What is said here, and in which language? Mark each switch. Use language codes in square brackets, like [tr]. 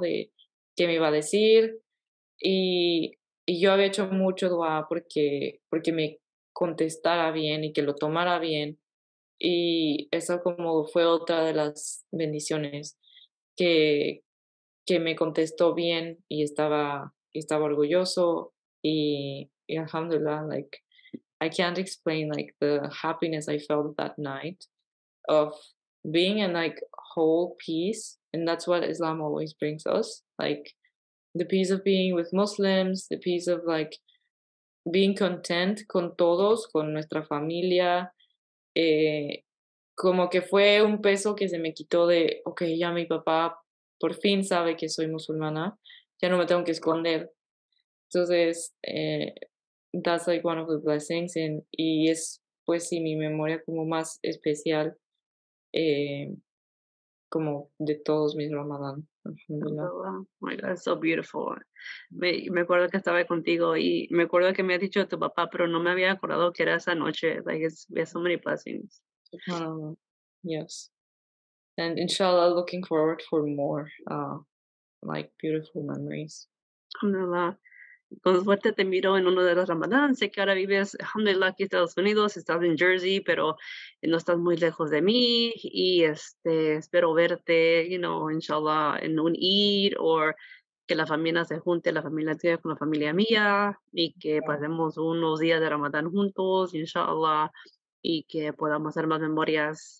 [es] De qué me iba a decir. Y yo había hecho mucho dua porque me contestara bien y que lo tomara bien. Y esa como fue otra de las bendiciones, que me contestó bien y estaba orgulloso. [en] Y alhamdulillah, like, I can't explain, like, the happiness I felt that night of being in, like, whole peace. And that's what Islam always brings us, like, the peace of being with Muslims, the peace of, like, being content [es] con todos, con nuestra familia. Como que fue un peso que se me quitó de, okay, ya mi papá por fin sabe que soy musulmana, ya no me tengo que esconder. Entonces, [en] that's like one of the blessings, [es] y es, pues sí, mi memoria como más especial, como de todos mis Ramadán. [en] Oh my God, so beautiful. [es] Me acuerdo que estaba contigo y me acuerdo que me ha dicho tu papá, pero no me había acordado que era esa noche. [en] Like, it's so many blessings. Yes. And inshallah, looking forward for more, like, beautiful memories. [ar] Alhamdulillah. [es] Con suerte te miro en uno de los Ramadán. Sé que ahora vives, alhamdulillah, aquí en Estados Unidos, estás en Jersey, pero no estás muy lejos de mí. Y espero verte, [en] you know, [es] inshallah, en un Eid, o que la familia se junte, la familia tuya con la familia mía, y que pasemos unos días de Ramadán juntos, inshallah, y que podamos hacer más memorias.